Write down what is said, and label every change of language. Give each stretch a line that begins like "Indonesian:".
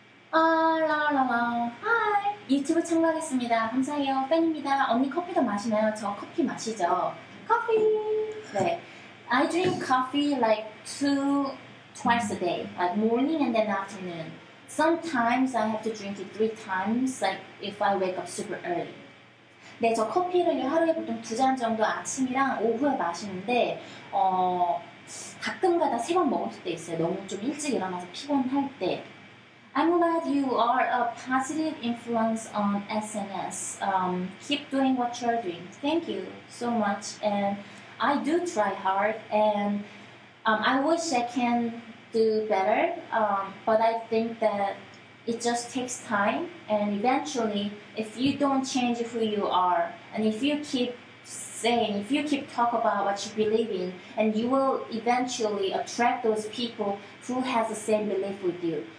Korean: Ah, la la la. Hi! YouTube 참가하겠습니다. 감사해요. 팬입니다. 언니 커피도 마시나요? 저 커피 마시죠? 커피! 네.
English: I drink coffee like twice a day, like morning and then afternoon. Sometimes I have to drink it 3 times, like if I wake up super early.
Korean: 네, 저 커피를 하루에 보통 2잔 정도 아침이랑 오후에 마시는데 가끔가다 3번 먹을 때 있어요. 너무 좀 일찍 일어나서 피곤할 때.
English: I'm glad you are a positive influence on SNS. Keep doing what you're doing. Thank you so much. And I do try hard, and I wish I can do better, but I think that it just takes time, and eventually, if you don't change who you are, and if you keep saying, if you keep talk about what you believe in, and you will eventually attract those people who has the same belief with you.